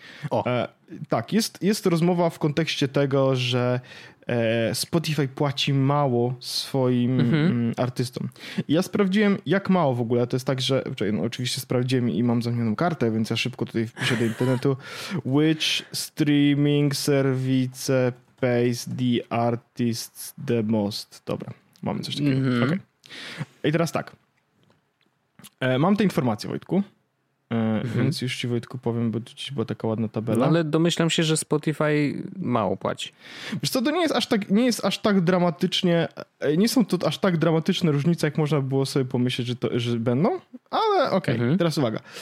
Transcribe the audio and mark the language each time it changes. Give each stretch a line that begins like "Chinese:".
Polish: O. Tak, jest rozmowa w kontekście tego, że Spotify płaci mało swoim artystom. I ja sprawdziłem, jak mało w ogóle. To jest tak, że no, oczywiście sprawdziłem i mam zamienioną kartę, więc ja szybko tutaj wpiszę do internetu.
English: Which streaming service pays the artists the most?
Polish: Dobra, mamy coś takiego. Okay. I teraz tak. Mam te informacje, Wojtku. Więc już ci, Wojtku, powiem, bo dziś była taka ładna tabela. No, ale domyślam się, że Spotify mało płaci. Wiesz co, to nie jest aż tak, nie jest aż tak dramatycznie, nie są to aż tak dramatyczne różnice, jak można było sobie pomyśleć, że będą, ale okej. Okay. Teraz uwaga.